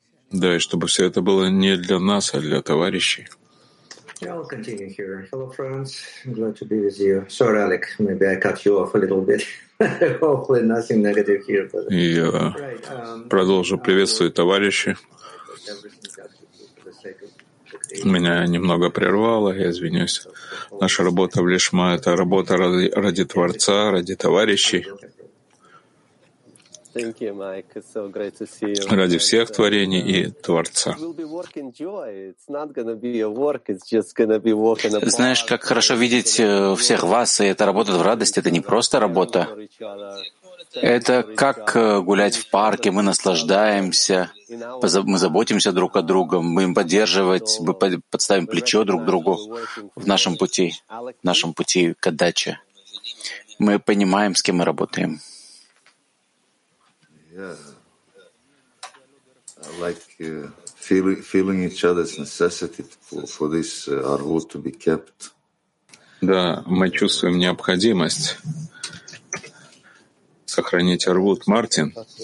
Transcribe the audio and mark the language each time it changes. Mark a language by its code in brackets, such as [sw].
[ru] Да, и чтобы все это было не для нас, а для товарищей. [en] Yeah, I'll continue here. Hello, friends. I'm glad to be with you. Sorry, Alec. Maybe I cut you off a little bit. Hopefully nothing negative here. But... [ru] Продолжу. Приветствую, товарищи. Меня немного прервало, я извинюсь. Наша работа в Лишма — это работа ради Творца, ради товарищей. [en] Thank you, Mike. It's so great to see you. [ru] Ради всех творений и Творца. Знаешь, как хорошо видеть всех вас, и это работа в радости, это не просто работа. Это как гулять в парке, мы наслаждаемся, мы заботимся друг о друге, мы им поддерживать, мы подставим плечо друг другу в нашем пути к отдаче. Мы понимаем, с кем мы работаем. [en] Yeah. I like feeling each other's necessity for this arvut to be kept. [ru] Да, мы чувствуем необходимость сохранить арвут, Мартин.